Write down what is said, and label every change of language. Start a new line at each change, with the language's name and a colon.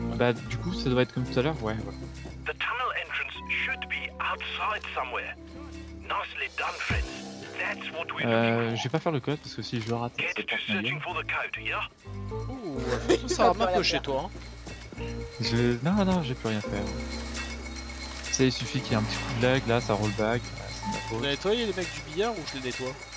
French: Bah du coup ça doit être comme tout à l'heure, ouais.
English: The tunnel entrance should be outside somewhere. Nicely done, friends. That's what we're looking.
French: Je vais pas faire le code parce que si je le rate, c'est pas mal. Ouh, ça va pas chez toi. Hein. Non, j'ai plus rien faire. Ça, il suffit qu'il y ait un petit coup de lag, là, ça roll back. C'est ma faute. Vous nettoyez les mecs du billard ou je les nettoie?